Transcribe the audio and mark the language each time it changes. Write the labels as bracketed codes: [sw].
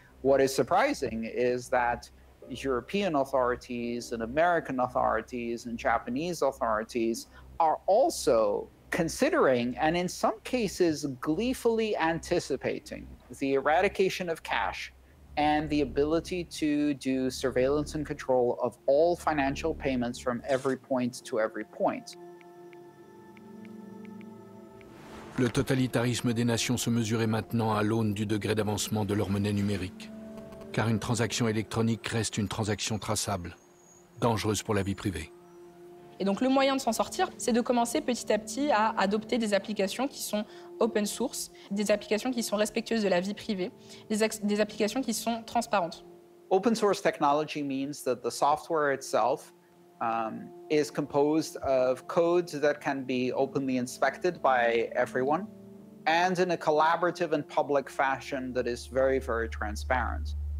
[en] What is surprising is that European authorities and American authorities and Japanese authorities are also considering and in some cases gleefully anticipating the eradication of cash and the ability to do surveillance and control of all financial payments from every point to every point. [fr] Le totalitarisme des nations se mesurait maintenant à l'aune du degré d'avancement de leur monnaie numérique. Car une transaction électronique reste une transaction traçable, dangereuse pour la vie privée. Et donc le moyen de s'en sortir, c'est de commencer petit à petit à adopter des applications qui sont open source, des applications qui sont respectueuses de la vie privée, des applications qui sont transparentes. [en] Open source technology means that the software itself is composed of codes that can be openly inspected by everyone and in a collaborative and public fashion that is very, very transparent.